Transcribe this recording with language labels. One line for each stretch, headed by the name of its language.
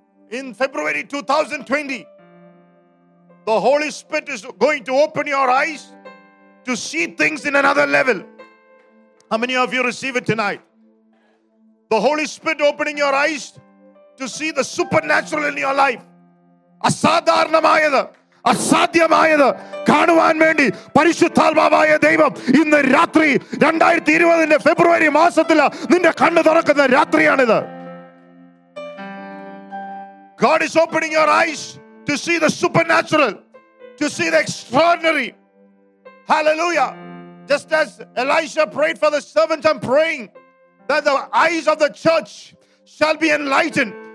English: In February 2020, the Holy Spirit is going to open your eyes to see things in another level. How many of you receive it tonight? The Holy Spirit opening your eyes to see the supernatural in your life.
Malayalam: Asadharanamayathu. അസാധ്യമായത് കാണുവാൻ വേണ്ടി പരിശുദ്ധാത്മാവായ ദൈവം ഇന്ന് രാത്രി 2020 ഫെബ്രുവരി മാസത്തിൽ നിന്റെ കണ്ണ് തുറക്കുന്ന രാത്രിയാണിത്.
English: God is opening your eyes to see the supernatural, to see the extraordinary. Hallelujah. Just as Elisha prayed for the servant, I'm praying that the eyes of the church shall be enlightened.